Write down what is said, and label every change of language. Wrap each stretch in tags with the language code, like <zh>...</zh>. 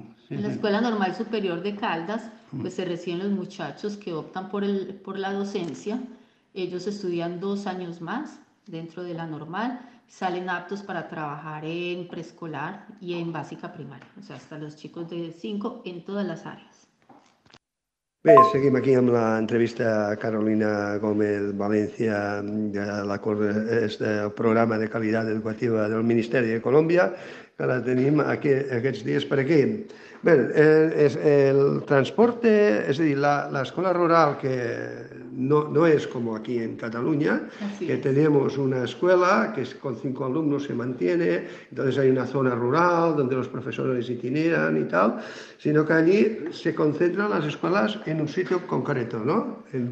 <es>En la Escuela Normal Superior de Caldas, pues se reciben los muchachos que optan por la docencia. Ellos estudian 2 años más dentro de la normal, salen aptos para trabajar en preescolar y en básica primaria. O sea, hasta los chicos de 5 en todas las áreas.</es> <ca>Bé, seguim aquí amb l'entrevista a Carolina Gómez València del programa de qualitat educativa del Ministeri de Colòmbia, que la tenim aquests dies per aquí. Bé, el transporte, és a dir, l'escola rural, que no és com aquí en Catalunya, que tenim una escola que</ca> <es>con 5 alumnos se mantiene, entonces hay una zona rural donde los profesores itineran y tal, sinó que allí se concentran las escuelas en un sitio concreto, ¿no?</es>